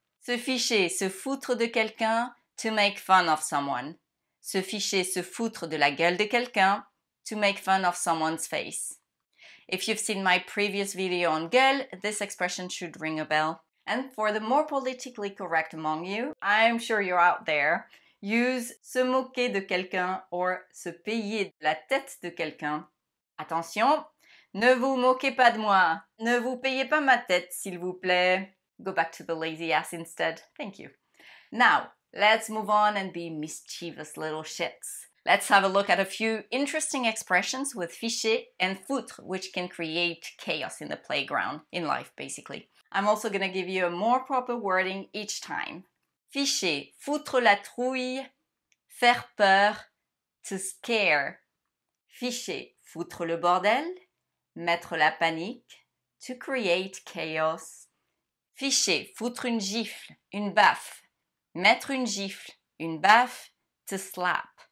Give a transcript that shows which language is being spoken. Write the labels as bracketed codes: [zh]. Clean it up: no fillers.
[fr] Se ficher, se foutre de quelqu'un, [en] to make fun of someone. [fr] Se ficher, se foutre de la gueule de quelqu'un, [en] to make fun of someone's face. If you've seen my previous video on gueule, this expression should ring a bell. And for the more politically correct among you, I'm sure you're out there, use [fr] se moquer de quelqu'un [en] or [fr] se payer la tête de quelqu'un. Attention, ne vous moquez pas de moi. Ne vous payez pas ma tête, s'il vous plaît. [en] Go back to the lazy ass instead. Thank you. Now, let's move on and be mischievous little shits. Let's have a look at a few interesting expressions with ficher and foutre, which can create chaos in the playground, in life, basically. I'm also going to give you a more proper wording each time. [fr] Ficher, foutre la trouille, faire peur, [en] to scare. [fr] Ficher, foutre le bordel, mettre la panique, [en] to create chaos. [fr] Ficher, foutre une gifle, une baffe, mettre une gifle, une baffe, [en] to slap.